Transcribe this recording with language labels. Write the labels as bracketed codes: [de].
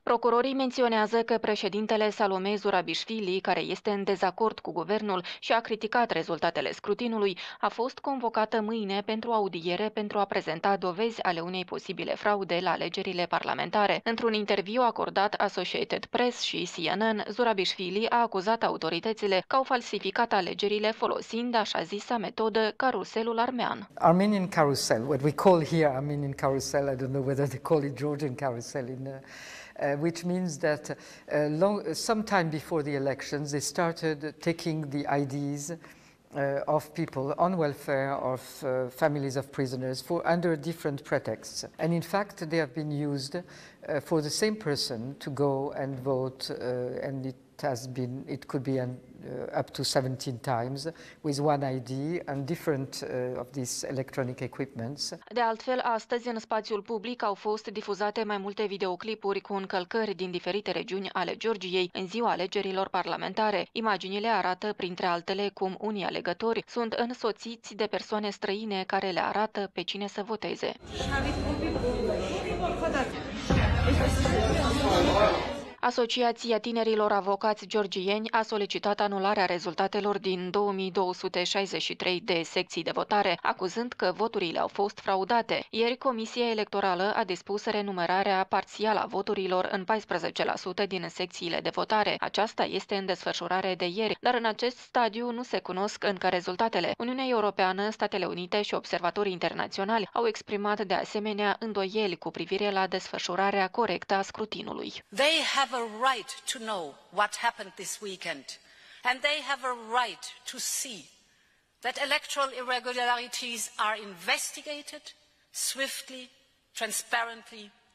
[ro] Procurorii menționează că președintele Salome Zurabishvili, care este în dezacord cu guvernul și a criticat rezultatele scrutinului, a fost convocată mâine pentru audiere pentru a prezenta dovezi ale unei posibile fraude la alegerile parlamentare. Într-un interviu acordat Associated Press și CNN, Zurabishvili a acuzat autoritățile că au falsificat alegerile folosind așa zisa metodă caruselul armean. [en] Armenian carousel, what we call here Armenian carousel, I don't know whether they call it Georgian carousel in which means that some time before the elections they started taking the IDs of people on welfare of families of prisoners for under different pretexts. And in fact they have been used for the same person to go and vote and it could be up to 17 times with one ID and different of these electronic equipments. [ro] De altfel, astăzi în spațiul public au fost difuzate mai multe videoclipuri cu încălcări din diferite regiuni ale Georgiei în ziua alegerilor parlamentare. Imaginile arată, printre altele, cum unii alegători sunt însoțiți de persoane străine care le arată pe cine să voteze. Asociația Tinerilor Avocați Georgieni a solicitat anularea rezultatelor din 2263 de secții de votare, acuzând că voturile au fost fraudate. Ieri, Comisia Electorală a dispus renumerarea parțială a voturilor în 14% din secțiile de votare. Aceasta este în desfășurare de ieri, dar în acest stadiu nu se cunosc încă rezultatele. Uniunea Europeană, Statele Unite și observatorii internaționali au exprimat de asemenea îndoieli cu privire la desfășurarea corectă a scrutinului. [en] Have a right to know what happened this weekend, and they have a right to see that electoral irregularities are investigated swiftly, transparently.